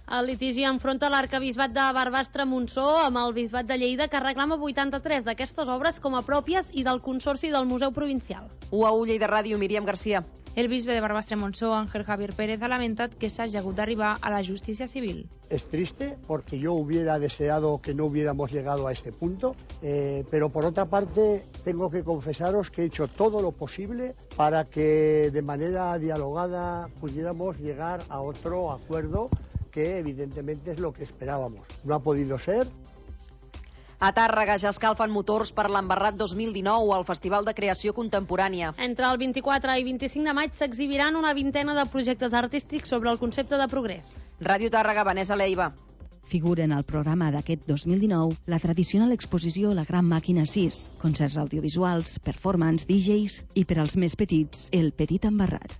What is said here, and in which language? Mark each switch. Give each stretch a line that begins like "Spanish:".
Catalan: El litigi enfronta l'arcabisbat de Barbastre-Montsó amb el bisbat de Lleida, que reclama 83 d'aquestes obres com a pròpies i del Consorci del Museu Provincial. UAU Lleida Ràdio, Míriam García. El bisbe de Barbastre-Montsó, Ángel Javier Pérez, ha lamentat que s'hagi hagut d'arribar a la justícia civil.
Spanish: Es triste porque yo hubiera deseado que no hubiéramos llegado a este punto, pero por otra parte tengo que confesaros que he hecho todo lo posible para que de manera dialogada pudiéramos llegar a otro acuerdo que evidentemente es lo que esperábamos. No ha podido ser.
Catalan: A Tàrrega ja escalfen motors per l'Embarrat 2019 al Festival de Creació Contemporània. Entre el 24 i 25 de maig s'exhibiran una vintena de projectes artístics sobre el concepte de progrés. Ràdio Tàrrega, Vanessa Leiva. Figura en el programa d'aquest 2019 la tradicional exposició La Gran Màquina 6, concerts audiovisuals, performance, DJs i, per als més petits, El Petit Embarrat.